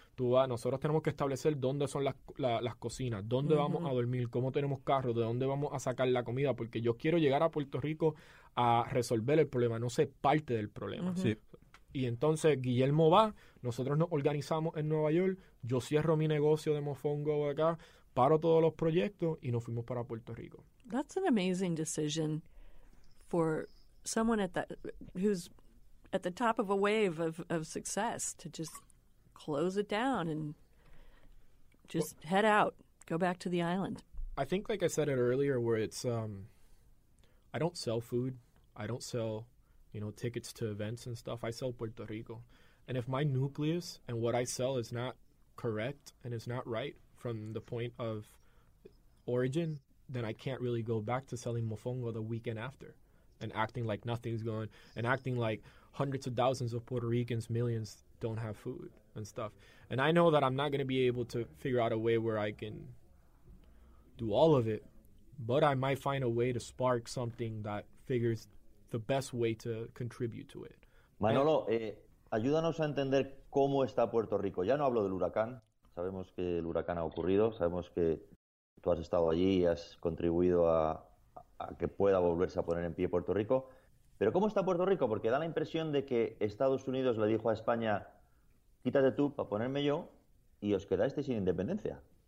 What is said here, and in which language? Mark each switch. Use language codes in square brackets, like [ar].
[es] Nosotros tenemos que establecer dónde son las cocinas, dónde vamos a dormir, cómo tenemos carro, de dónde vamos a sacar la comida, porque yo quiero llegar a Puerto Rico a resolver el problema, no ser parte del problema. Sí. Y entonces Guillermo va, nosotros nos organizamos en Nueva York, yo cierro mi negocio de Mofongo acá, paro todos los proyectos y nos fuimos para Puerto Rico. [en] That's an amazing decision for someone who's at the top of a wave of success to just close it down and just head out, go back to the island. I think, like I said it earlier, where it's, I don't sell food. I don't sell, you know, tickets to events and stuff. I sell Puerto Rico. And if my nucleus and what I sell is not correct and is not right from the point of origin, then I can't really go back to selling mofongo the weekend after and acting like nothing's going and acting like hundreds of thousands of Puerto Ricans, millions, don't have food and stuff. And I know that I'm not going to be able to figure out a way where I can, do all of it, but I might find a way to spark something that figures the best way to contribute to it. [es] Manolo, ayúdanos a entender cómo está Puerto Rico. Ya no hablo del huracán. Sabemos que el huracán ha ocurrido. Sabemos que tú has estado allí y has contribuido a que pueda volverse a poner en pie Puerto Rico. Pero ¿cómo está Puerto Rico? Porque da la impresión de que Estados Unidos le dijo a España, quítate tú para ponerme yo, y os quedaste sin independencia.